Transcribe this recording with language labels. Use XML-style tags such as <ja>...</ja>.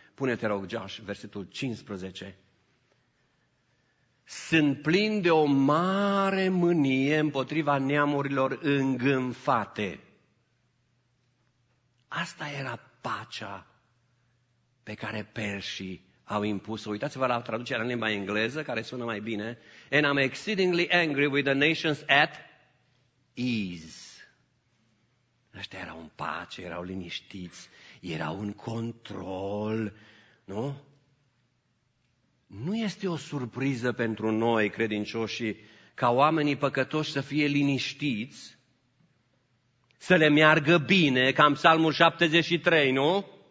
<ro>Pune-te, rog, Josh, versetul 15. Sunt plin de o mare mânie împotriva neamurilor îngânfate. Asta era pacea pe care perșii au impus-o. Uitați-vă la traducerea în limba engleză, care sună mai bine.</ro> <en>And I'm exceedingly angry with the nations at ease.</en> <ro>Ăștia erau în pace, erau liniștiți, erau în control, nu? Nu este o surpriză pentru noi, credincioșii, ca oamenii păcătoși să fie liniștiți, să le meargă bine, ca în Psalmul 73, nu?</ro>